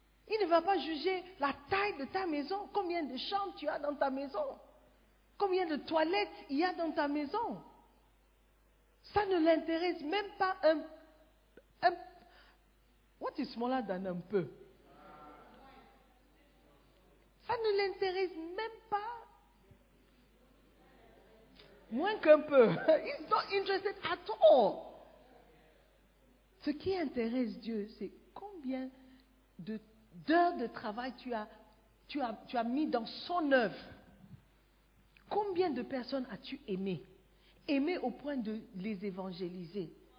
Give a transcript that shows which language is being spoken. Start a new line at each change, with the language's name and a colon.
French: Il ne va pas juger la taille de ta maison, combien de chambres tu as dans ta maison, combien de toilettes il y a dans ta maison. Ça ne l'intéresse même pas un
English: what is smaller than
French: un peu? Ça ne l'intéresse même pas moins qu'un peu.
English: He's not interested at all.
French: Ce qui intéresse Dieu, c'est combien d'heures de travail tu as mis dans son œuvre. Combien de personnes as-tu aimées au point de les évangéliser?